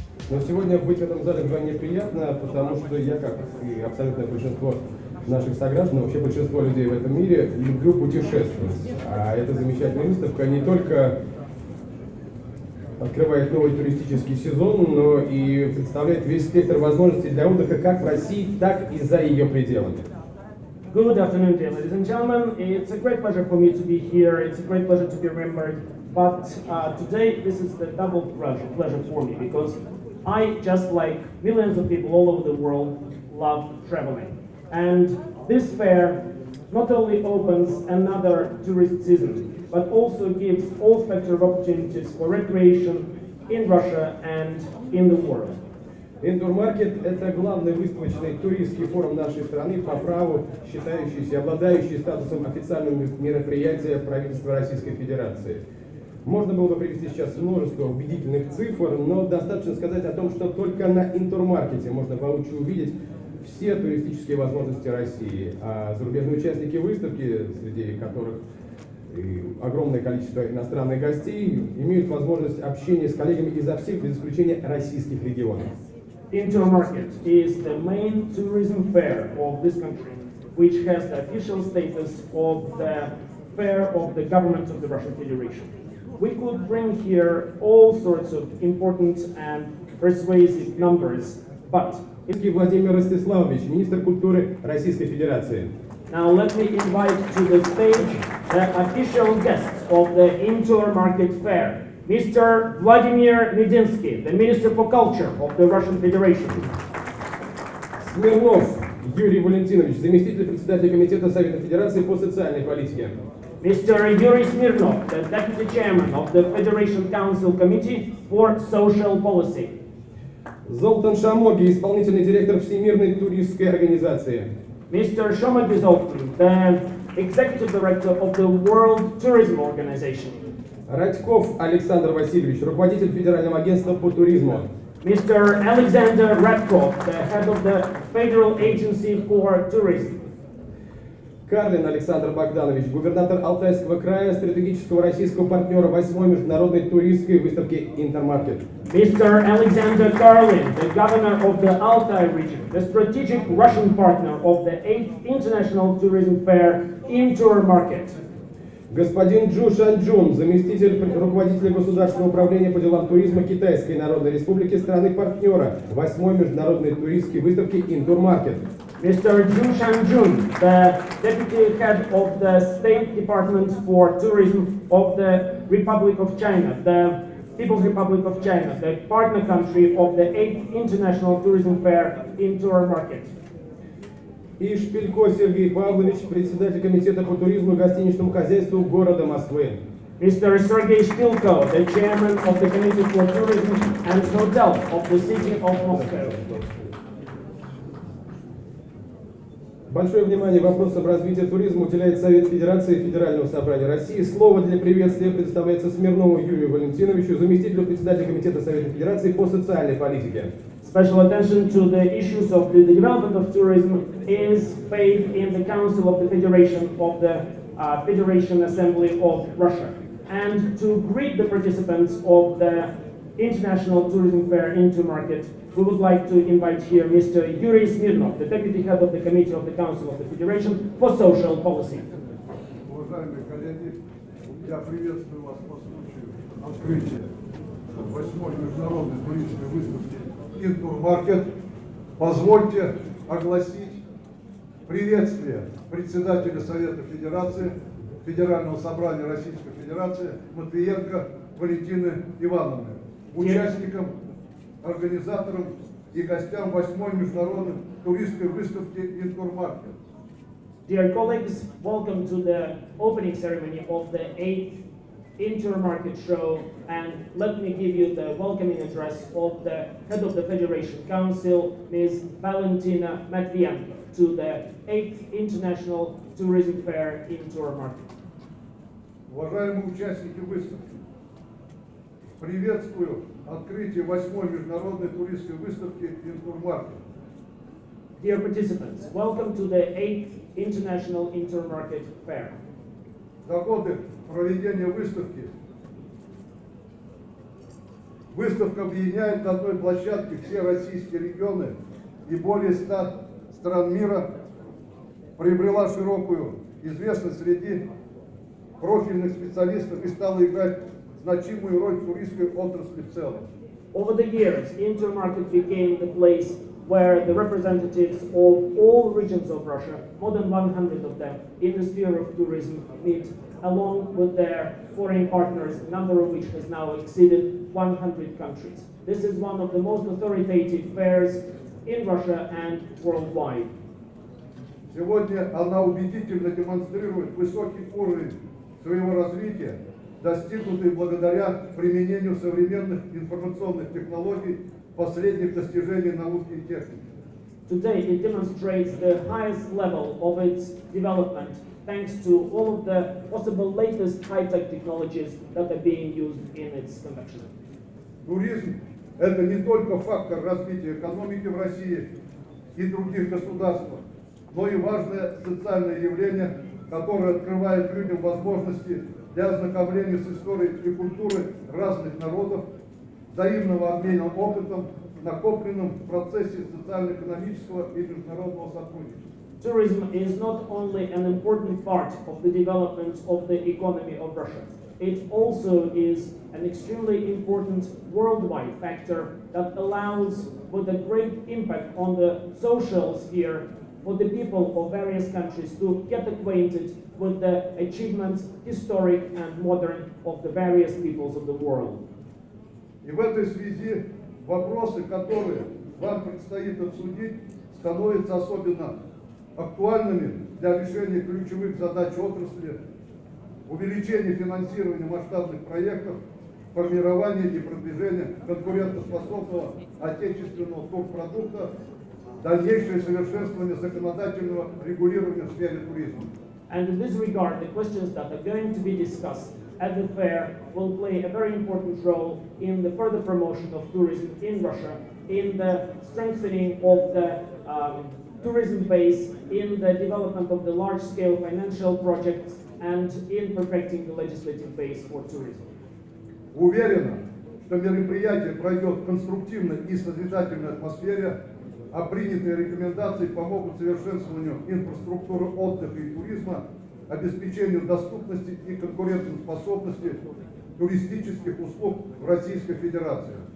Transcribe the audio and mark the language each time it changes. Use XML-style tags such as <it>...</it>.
<ru>Но сегодня быть в этом зале крайне неприятно, потому что я, как и абсолютное большинство наших сограждан, вообще большинство людей в этом мире, люблю путешествовать. А эта замечательная выставка не только открывает новый туристический сезон, но и представляет весь спектр возможностей для отдыха как в России, так и за ее пределами.</ru> <en>Good afternoon, dear ladies and gentlemen. It's a great pleasure for me to be here. It's a great pleasure to be remembered. But today, this is the double pleasure for me, because I, just like millions of people all over the world, love traveling. And this fair not only opens another tourist season, but also gives all spectrum of opportunities for recreation in Russia and in the world.</en> <ru>Индурмаркет – это главный выставочный туристский форум нашей страны, по праву считающийся, обладающий статусом официального мероприятия правительства Российской Федерации. Можно было бы привести сейчас множество убедительных цифр, но достаточно сказать о том, что только на Интурмаркете можно получше увидеть все туристические возможности России. А зарубежные участники выставки, среди которых огромное количество иностранных гостей, имеют возможность общения с коллегами изо всех, без исключения российских регионов.</ru> <en>Intermarket is the main tourism fair of this country, which has the official status of the fair of the government of the Russian Federation. We could bring here all sorts of important and persuasive numbers, but</en> <ru>Владимир Ростиславович, министр культуры Российской Федерации.</ru> <en>Now let me invite to the stage the official guests of the Intermarket fair. Mr. Vladimir Medinsky, the Minister for Culture of the Russian Federation.</en> <ru>Смирнов Юрий Валентинович, заместитель председателя Комитета Совета Федерации по социальной политике.</ru> <en>Mr. Yuri Smirnov, the Deputy Chairman of the Federation Council Committee for Social Policy.</en> <ru>Золтан Шамоги, исполнительный директор Всемирной туристической организации.</ru> <en>Mr. Shomogi Zoltan, the Executive Director of the World Tourism Organization.</en> <ru>Радьков Александр Васильевич, руководитель Федерального агентства по туризму.</ru> <en>Mr. Alexander Radkov, the head of the Federal Agency for Tourism.</en> <ru>Карлин Александр Богданович, губернатор Алтайского края, стратегического российского партнера 8-й международной туристской выставки Интермаркет.</ru> <en>Mr. Alexander Karlin, the governor of the Altai region, the strategic Russian partner of the 8th International Tourism Fair Intermarket.</en> <ru>Господин Джу Шанчжун, заместитель руководителя государственного управления по делам туризма Китайской Народной Республики, страны-партнера 8-й международной туристской выставки Интурмаркет.</ru> <en>Mr. Джу Шанчжун, the deputy head of the State Department for Tourism of the Republic of China, the People's Republic of China, the partner country of the 8th International Tourism Fair Intourmarket.</en> <ru>И Шпилько Сергей Павлович, председатель комитета по туризму и гостиничному хозяйству города Москвы.</ru> <en>Mr. Sergei Shpilko, the chairman of the Committee for Tourism and Hotels of the City of Moscow.</en> <ru>Большое внимание вопросам развития туризма уделяет Совет Федерации и Федерального собрания России. Слово для приветствия предоставляется Смирнову Юрию Валентиновичу, заместителю председателя Комитета Совета Федерации по социальной политике.</ru> <en>Special attention to the issues of the development of tourism is paid in the Council of the Federation of the Federation Assembly of Russia. And to greet the participants of the International Tourism Fair Intermarket, we would like to invite here Mr. Yuri Smirnov, the Deputy Head of the Committee of the Council of the Federation for Social Policy.</en> <ru>Уважаемые коллеги, я приветствую вас по случаю открытия 8-й международной туристической выставки Интурмаркет. Позвольте огласить приветствие председателя Совета Федерации, Федерального собрания Российской Федерации Матвиенко Валентины Ивановны, участникам, организаторам и гостям 8-й международной туристской выставки Интурмаркет.</ru> <en>Dear colleagues, welcome to the opening ceremony of the 8th Intermarket show, and let me give you the welcoming address of the head of the Federation Council, Ms. Valentina Matvienko, to the 8th International Tourism Fair Intermarket.</en> <ru>Уважаемые участники выставки, приветствую открытие 8-й международной туристской выставки Интурмаркет.</ru> <en>Dear participants, welcome to the 8th International Intermarket Fair.</en> <ru>За годы проведения выставки Выставка объединяет на одной площадке все российские регионы и более 100 стран мира, приобрела широкую известность среди профильных специалистов и стала играть значимую роль в туристской отрасли в целом.</ru> <en>Over the years, Intermarket became the place where the representatives of all regions of Russia, more than 100 of them, in the sphere of tourism meet, along with their foreign partners, the number of which has now exceeded 100 countries. This is one of the most authoritative fairs in Russia and worldwide.</en> <ru>Сегодня она убедительно демонстрирует высокий уровень своего развития, достигнутый благодаря применению современных информационных технологий, последних достижений науки и техники.</ru> <en>Today it demonstrates the highest level of its development, thanks to all of the possible latest high-tech technologies that are being used in its conduction.</en> <ru>Туризм – это не только фактор развития экономики в России и других государствах, но и важное социальное явление, которое открывает людям возможности для ознакомления с историей и культурой разных народов, взаимного обмена опытом, накопленным в процессе социально-экономического и международного сотрудничества.</ru> <en>Tourism is not only an important part of the development of the economy of Russia. It also is an extremely important worldwide factor that allows for the great impact on the social sphere for the people of various countries to get acquainted with the achievements, historic and modern, of the various peoples of the world.</en> <ru>И в этой связи вопросы, которые вам предстоит обсудить, становятся особенно актуальными для решения ключевых задач отрасли, увеличения финансирования масштабных проектов, формирования и продвижения конкурентоспособного отечественного турпродукта, дальнейшее совершенствование законодательного регулирования в сфере туризма.</ru> <en>And in this regard, the questions that are going to be discussed at the fair will play a very important role in the further promotion of tourism in Russia, in the strengthening of the tourism base, in the development of the large-scale financial projects, and in perfecting the legislative base for tourism.</en> <ru>Уверена, что мероприятие пройдет в конструктивной и созидательной атмосфере, а принятые рекомендации помогут совершенствованию инфраструктуры отдыха и туризма, обеспечению доступности и конкурентоспособности туристических услуг в Российской Федерации.</ru>